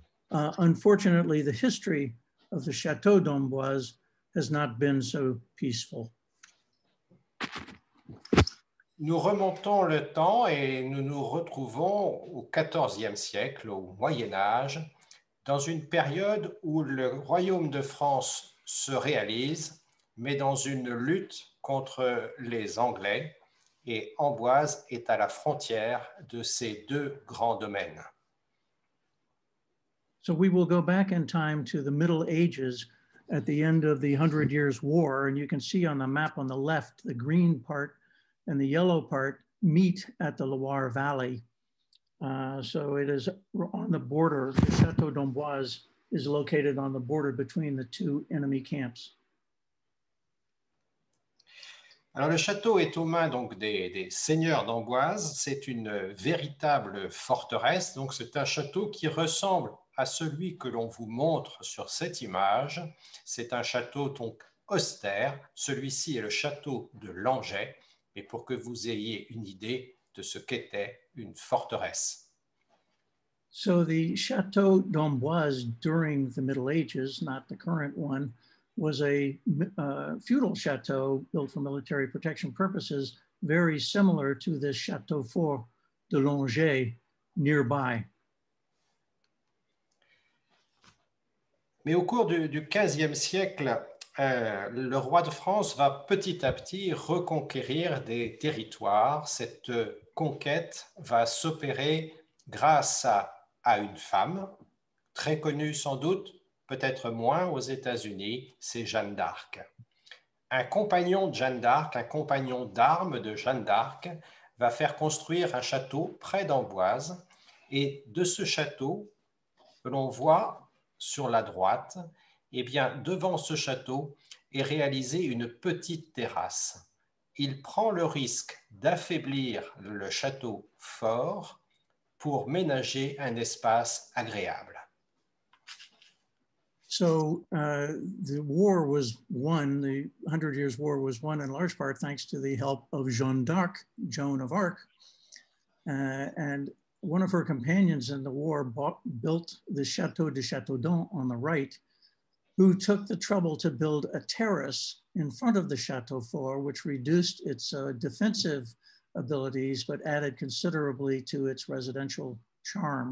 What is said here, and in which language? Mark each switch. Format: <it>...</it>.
<en>Unfortunately, the history of the Château d'Amboise has not been so peaceful.</en> <fr>Nous remontons le temps et nous nous retrouvons au XIVe siècle, au Moyen Âge, dans une période où le royaume de France se réalise, mais dans une lutte contre les Anglais. Et Amboise est à la frontière de ces deux grands domaines.</fr> <en>So we will go back in time to the Middle Ages at the end of the Hundred Years' War, and you can see on the map on the left, the green part and the yellow part meet at the Loire Valley. So it is on the border, the Château d'Amboise is located on the border between the two enemy camps.</en> <fr>Alors le château est aux mains donc des seigneurs d'Amboise, c'est une véritable forteresse, donc c'est un château qui ressemble à celui que l'on vous montre sur cette image, c'est un château donc austère, celui-ci est le château de Langeais, mais pour que vous ayez une idée de ce qu'était une forteresse.</fr> <en>So the Château d'Amboise during the Middle Ages, not the current one, was a feudal chateau built for military protection purposes, very similar to this Château Fort de Langeais nearby.</en> <fr>Mais au cours du 15e siècle, le roi de France va petit à petit reconquérir des territoires. Cette conquête va s'opérer grâce à une femme, très connue sans doute, peut-être moins aux États-Unis, c'est Jeanne d'Arc. Un compagnon de Jeanne d'Arc, un compagnon d'armes de Jeanne d'Arc, va faire construire un château près d'Amboise. Et de ce château, que l'on voit sur la droite, eh bien, devant ce château est réalisée une petite terrasse. Il prend le risque d'affaiblir le château fort pour ménager un espace agréable.</fr> <en>So the war was won, the Hundred Years' War was won in large part thanks to the help of Jeanne d'Arc, Joan of Arc. And one of her companions in the war built the Château de Châteaudun on the right, who took the trouble to build a terrace in front of the Château Fort, which reduced its defensive abilities, but added considerably to its residential charm.</en>